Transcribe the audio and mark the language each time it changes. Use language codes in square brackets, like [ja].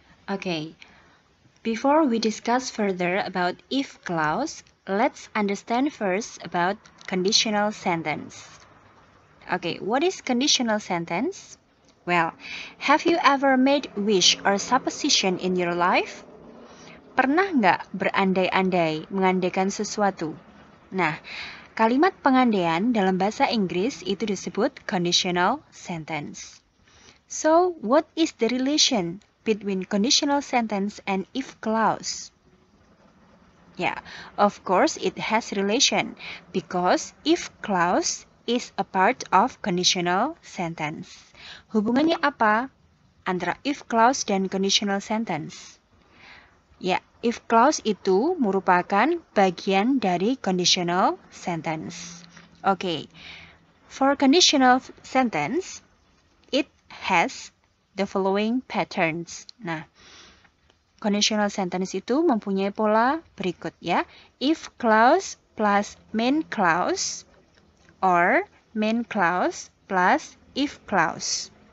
[en] Okay, before we discuss further about if clause, let's understand first about conditional sentence. Okay, what is conditional sentence? Well, have you ever made wish or supposition in your life? [id] Pernah nggak berandai-andai mengandaikan sesuatu? Nah, kalimat pengandaian dalam bahasa Inggris itu disebut conditional sentence. [en] So, what is the relation between conditional sentence and if clause? Yeah, of course it has relation because if clause is a part of conditional sentence. [id] Hubungannya apa antara if clause dan conditional sentence? Yeah, if clause itu merupakan bagian dari conditional sentence. [en] Okay, for conditional sentence, it has the following patterns. [id] Nah, conditional sentence itu mempunyai pola berikut ya. [en] If clause plus main clause or main clause plus if clause.